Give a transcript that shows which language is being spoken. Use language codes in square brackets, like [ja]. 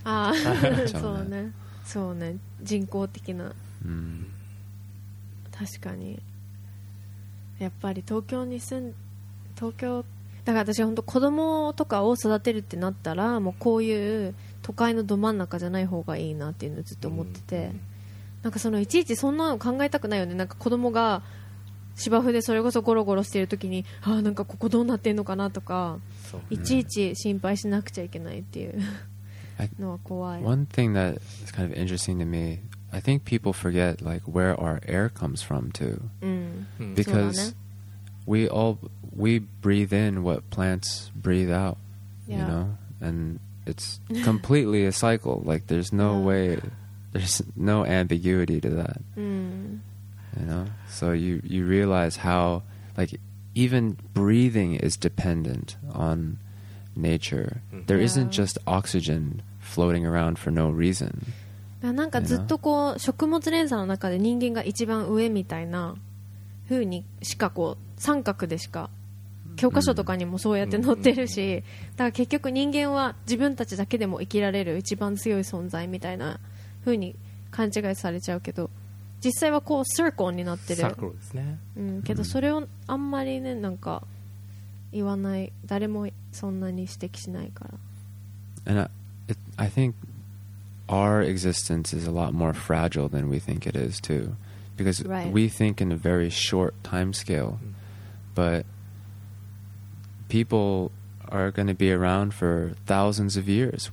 [ja] あそうね、そうね、人工的な、確かにやっぱり東京に住ん、東京だから私本当子供とかを育てるってなったらもうこういう都会のど真ん中じゃない方がいいなっていうのをずっと思ってて、なんかそのいちいちそんなの考えたくないよね、なんか子供が芝生でそれこそゴロゴロしてるときに、あなんかここどうなってんのかなとか、いちいち心配しなくちゃいけないっていうのは怖い。 [en] One thing that is kind of interesting to me, I think people forget like where our air comes from too. Because we breathe in what plants breathe out, you know, and it's completely a cycle. Like there's no way, there's no ambiguity to that. You know, so you realize how like even breathing is dependent on nature. There isn't just oxygen floating around for no reason. [ja] なんかずっとこう食物連鎖の中で人間が一番上みたいな風にしかこう三角でしか、教科書とかにもそうやって載ってるし、だから結局人間は自分たちだけでも生きられる一番強い存在みたいな風に勘違いされちゃうけど、実際はこうサークルになってる、サークルですね、けどそれをあんまりねなんか言わない、誰もそんなに指摘しないから。 [en] And I think our existence is a lot more fragile than we think it is too, because we think in a very short time scale, butPeople are going to be around for thousands of years.